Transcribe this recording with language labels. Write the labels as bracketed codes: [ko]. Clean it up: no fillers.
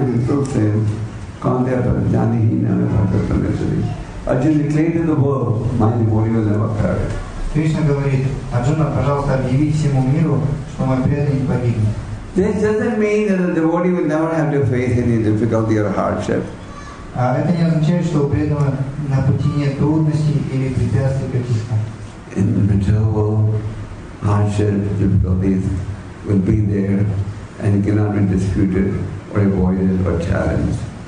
[en] So we call Arjuna declared to the world, my devotee will never perish. [ru] Кришна говорит, Арджуна, пожалуйста, объяви всему миру, что мой преданный не погибнет. [en] This doesn't mean that the devotee will never have to face any difficulty or hardship. [ru] Это не означает, что у преданного на пути нет трудностей или препятствий каких-то. [en] In the material world, hardship, difficulties will be there and it cannot be disputed or avoided or challenged.